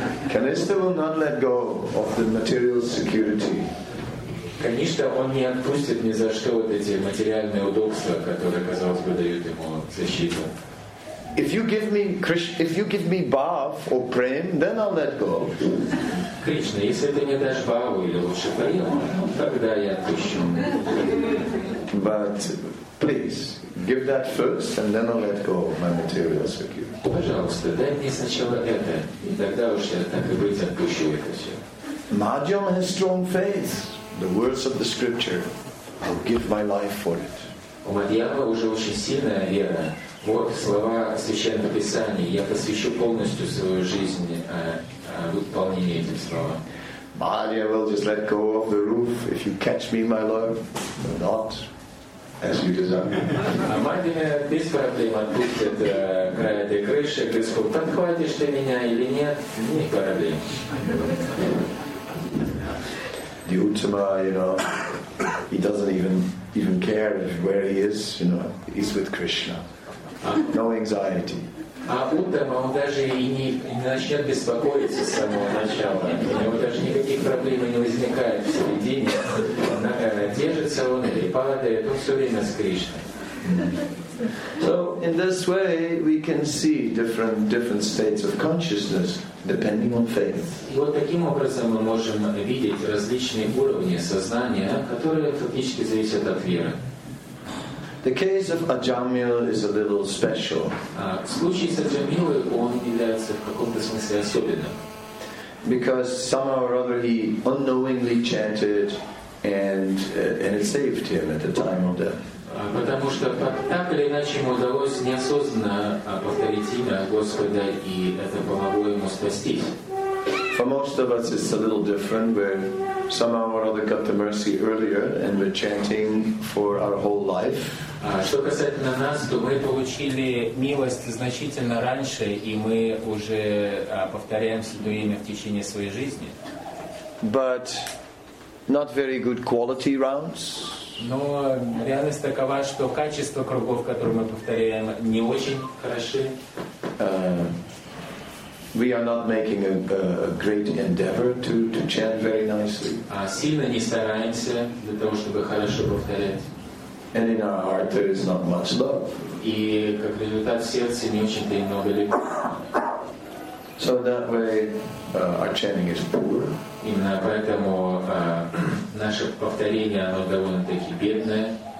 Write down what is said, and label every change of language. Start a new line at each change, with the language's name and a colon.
English: Kanishka will not let go of the material security.
Russian: Конечно, он не отпустит ни за что вот эти материальные удобства, которые, казалось бы, дают ему защиту.
English: If you give me bhav or prem, then I'll let go.
Russian: Кришна, если ты мне дашь бхаву или лучше прем, тогда я отпущу.
English: But please give that first, and then I'll let go of my material security.
Russian: Пожалуйста, дай мне сначала это, и тогда уж я так и быть отпущу это все.
English: Madhyam has strong faith. The words of the scripture: I'll give my life for it.
Russian: У Мадьяма уже очень сильная вера. Вот слова Священного Писания: я посвящу полностью свою жизнь выполнению этих слов.
English: Madhyam will just let go of the roof if you catch me, my love, but not as you desire.
Russian: Мадьяма без проблем отпустит край этой крыши, Господь, подхватишь ты меня или нет, не проблем.
English: The Uttama, you know, he doesn't even care if where he is, you know, he's with Krishna. No anxiety.
Russian: А Уттама, он даже и не начнет беспокоиться с самого начала. У него даже никаких проблем не возникает в середине. Держится он или падает, он все время с Кришной.
English: So in this way we can see different states of consciousness depending on faith.
Russian: И вот таким образом мы можем видеть различные уровни сознания, которые фактически зависят от веры.
English: The case of Ajamil is a little special.
Russian: Случай с Аджамилой, он является в каком-то смысле особенным.
English: Because somehow or other he unknowingly chanted and it saved him at the time of death.
Russian: Потому что так или иначе ему удалось неосознанно повторить имя Господа, и это помогло ему спастись.
English: For most of us it's a little different, where somehow or other got the mercy earlier and we're chanting for our whole life.
Russian: Что касательно нас, то мы получили милость значительно раньше, и мы уже повторяем Святое Имя в течение своей жизни.
English: But not very good quality rounds.
Russian: Но реальность такова, что качество кругов, которые мы повторяем, не очень хороши.
English: We are not making a great endeavor to chant very nicely.
Russian: Сильно не стараемся для того, чтобы хорошо повторять.
English: And in our heart there is not much love.
Russian: И как результат в сердце не очень-то и много любви.
English: So that way our chanting is poor.
Russian: Именно поэтому наше повторение оно довольно-таки бедное.